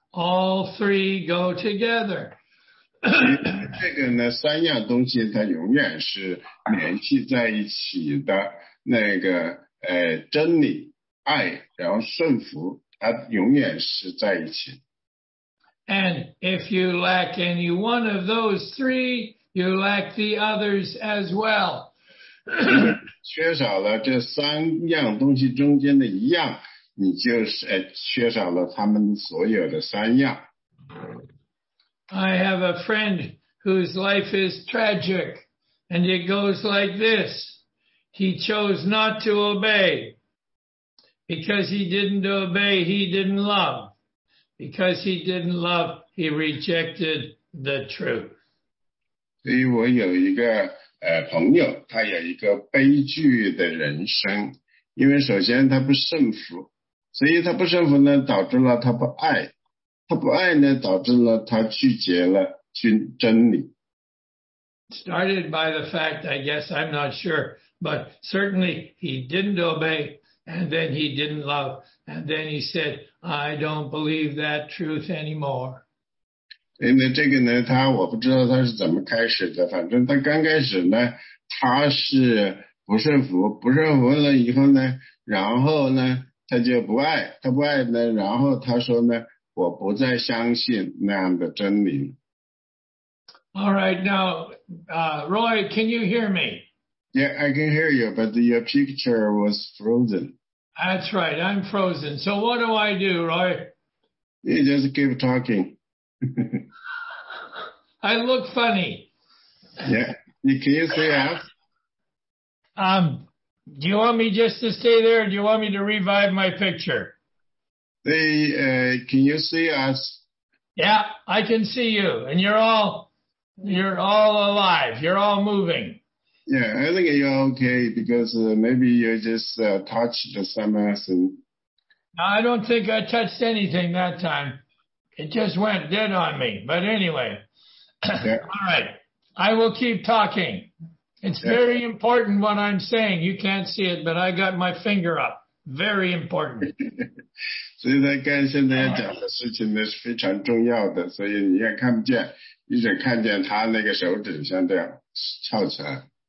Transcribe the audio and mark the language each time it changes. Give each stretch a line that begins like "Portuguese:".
English: All three go together.
Chinese: 这个呢，三样东西它永远是联系在一起的。那个真理、爱，然后顺服，它永远是在一起。
English: And if you lack any one of those three, you lack the others as well.
Chinese: 缺少了这三样东西中间的一样，你就是缺少了他们所有的三样。
English: I have a friend whose life is tragic, and it goes like this. He chose not to obey. Because he didn't obey, he didn't love. Because he didn't love, he rejected the truth.
Chinese: 所以我有一个朋友，他有一个悲剧的人生，因为首先他不顺服，所以他不顺服呢，导致了他不爱，他不爱呢，导致了他拒绝了真理。
English: Started by the fact, I guess, I'm not sure, but certainly he didn't obey, and then he didn't love, and then he said, I don't believe that truth anymore.
Chinese: 所以这个呢，他我不知道他是怎么开始的，反正他刚开始呢，他是不顺服，不顺服了以后呢，然后呢，他就不爱，他不爱呢，然后他说呢，我不再相信那样的真理。
English: All right, now, Roy, can you hear me? Yeah, I can hear you, but your picture was frozen. That's right, I'm frozen. So what do, Roy? You just keep talking. I look funny. Yeah, can you see us? Do you want me just to stay there, or do you want me to revive my picture? Can you see us? Yeah, I can see you, and you're all alive. You're all moving. Yeah, I think you're okay because maybe you just touched some acid. I don't think I touched anything that time. It just went dead on me. But anyway, all right, I will keep talking. It's very important what I'm saying. You can't see it, but I got my finger up. Very important.
Chinese: 所以他刚才讲的事情呢是非常重要的, 所以你也看不见, 一直看见他那个手指像这样翘起来。